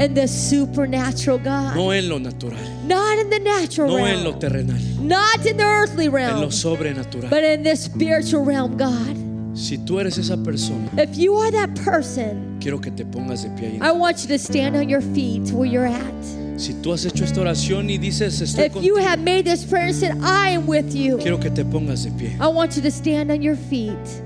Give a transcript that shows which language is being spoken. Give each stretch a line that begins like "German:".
English: In the supernatural, God.
Spanish: No en lo natural.
English: Not in the natural
Spanish: no
English: realm.
Spanish: No en lo terrenal.
English: Not in the earthly realm.
Spanish: En lo sobrenatural.
English: But in the spiritual realm, God.
Spanish: Si tú eres esa persona,
English: if you are that person,
Spanish: quiero que te pongas de pie ahí.
English: I want you to stand on your feet where you're at.
Spanish: Si tú has hecho esta oración y dices, estoy
English: if
Spanish: contigo,
English: you have made this prayer and said I am with you,
Spanish: quiero que te pongas de pie.
English: I want you to stand on your feet